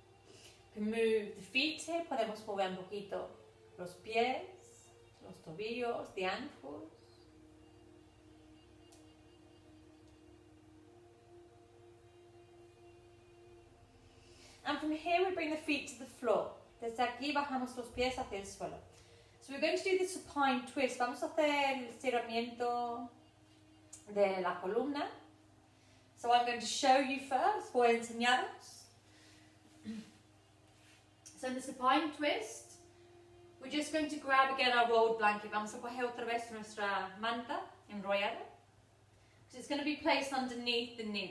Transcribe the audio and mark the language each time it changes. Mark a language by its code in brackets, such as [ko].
[en] We can move the feet here. [es] Podemos mover un poquito los pies, los tobillos, [en] the ankles. And from here we bring the feet to the floor. [es] Desde aquí bajamos los pies hacia el suelo. [en] So we're going to do the supine twist. [es] Vamos a hacer el estiramiento de la columna. [en] So I'm going to show you first. [es] Voy a enseñaros. [en] So in the supine twist, we're just going to grab again our rolled blanket. [es] Vamos a coger otra vez nuestra manta enrollada. [en] So it's going to be placed underneath the knee.